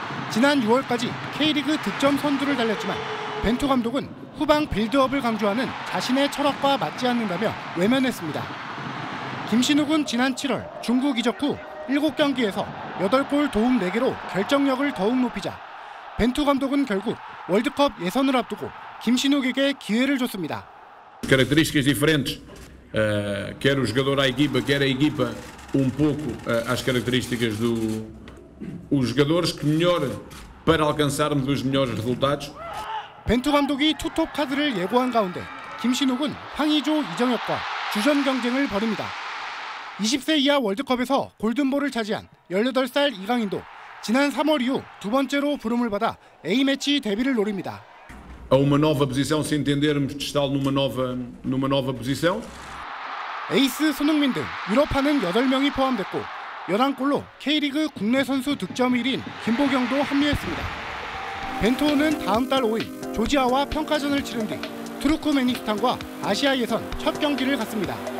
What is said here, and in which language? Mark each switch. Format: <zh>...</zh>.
<ko>지난 6월까지 K리그 득점 선두를 달렸지만 벤투 감독은 후방 빌드업을 강조하는 자신의 철학과 맞지 않는다며 외면했습니다. 김신욱은 지난 7월 중국 이적 후 7경기에서 8골 도움 4개로 결정력을 더욱 높이자 벤투 감독은 결국 월드컵 예선을 앞두고 김신욱에게 기회를 줬습니다.</ko> <pt>Características diferentes. Quer o jogador à equipa, quer a equipa um pouco as características do os jogadores que melhor para alcançarmos os melhores resultados.</pt> <ko>벤투 감독이 투톱 카드를 예고한 가운데 김신욱은 황의조, 이정혁과 주전 경쟁을 벌입니다. 20세 이하 월드컵에서 골든볼을 차지한 18살 이강인도 지난 3월 이후 두 번째로 부름을 받아 A매치 데뷔를 노립니다.</ko> <pt>Uma nova posição, se entendermos de estar numa nova posição.</pt> <ko>에이스 손흥민 등 유럽파는 8명이 포함됐고 11골로 K리그 국내 선수 득점 1위인 김보경도 합류했습니다. 벤투호는 다음 달 5일 조지아와 평가전을 치른 뒤 투르크메니스탄과 아시아 예선 첫 경기를 갖습니다.</ko>